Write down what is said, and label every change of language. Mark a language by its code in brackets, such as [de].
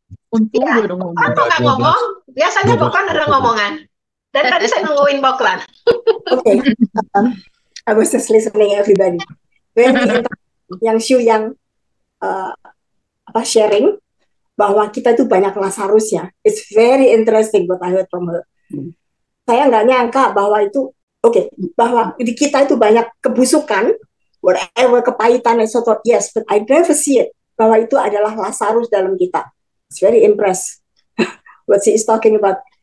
[id] Untung ya, belum ngomong. Kan enggak ngomong. Biasanya bukan ada ngomongan. Dan tadi saya nungguin Boklan. [en] Oke. Okay. I was just listening everybody. [id] When we talk, yang Xiu yang sharing bahwa kita tuh banyak Lazarus ya. [en] It's very interesting what I heard from her. [id] Saya enggak nyangka bahwa itu bahwa di kita itu banyak kebusukan, whatever kepahitan [en] and so on. Yes, but I never see it. [id] Bahwa itu adalah Lazarus dalam kita. [en] It's very impressed what she is talking about.